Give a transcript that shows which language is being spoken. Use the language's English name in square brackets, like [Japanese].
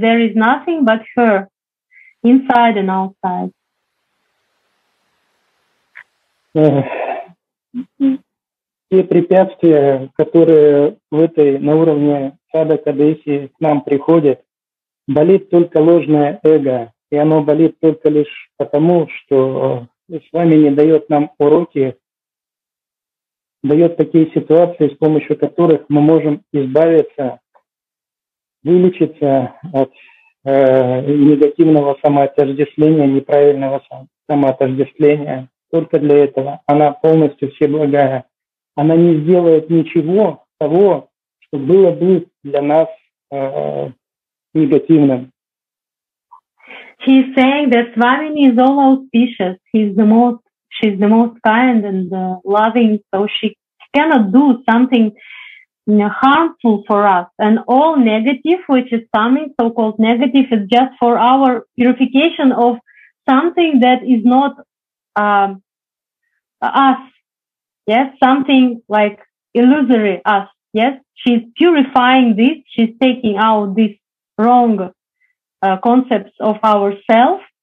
[English] There is nothing but her, inside and outside. [Russian] Те препятствия, которые в этой на уровне Сада Кадеси к нам приходят, болит только ложное эго, и оно болит только лишь потому, что Свамини дает нам уроки, дает такие ситуации, с помощью которых мы можем избавиться, вылечиться от негативного самоотождествления, неправильного самоотождествления. Только для этого она полностью всеблагая. Она не сделает ничего того, что было бы для нас негативным. [English] He's saying that Swamini is all auspicious. She's the most kind and loving, so she cannot do something harmful for us, and all negative, which is something so-called negative, is just for our purification of something that is not us, yes, something like illusory us, yes, she's purifying this, she's taking out this wrong concepts of ourself,